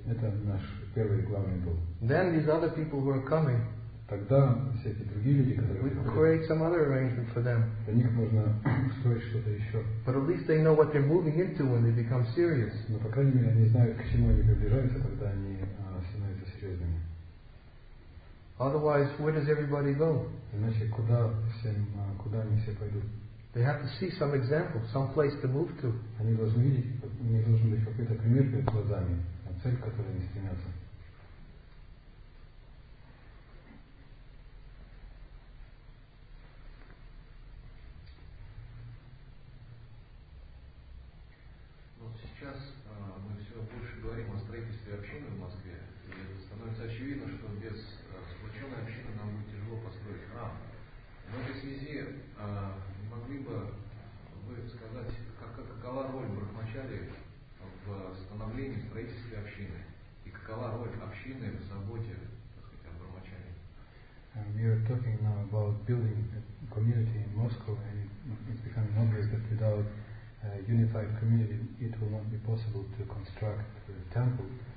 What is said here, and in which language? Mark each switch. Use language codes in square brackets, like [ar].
[ru] Это наш первый и главный долг. [en] Then these other people who are coming, [ru] тогда все эти другие люди, которые [en] we create some other arrangement for them. [ru] Для них можно устроить что-то еще. [en] But at least they know what they're moving into when they become serious. [ru] Но по крайней мере они знают, к чему они приближаются, когда они становятся серьезными. [en] Otherwise, where does everybody go? [ru] Иначе куда всем, куда они все пойдут? [en] They have to see some example, some place to move to. [ru] Они должны видеть, мне должен быть какой-то пример перед глазами, цель, к которой они стремятся. Вот сейчас мы все больше говорим о строительстве общины в Москве, и становится очевидно, что без сплоченной общины нам будет тяжело построить храм. В этой связи могли бы вы сказать, какова роль брахмачари в становлении строительства общины и какова роль общины в заботе, так сказать, о брахмачари? [en] We are talking now about building a community in Moscow, and it's becoming obvious that without a unified community, it will not be possible to construct a temple.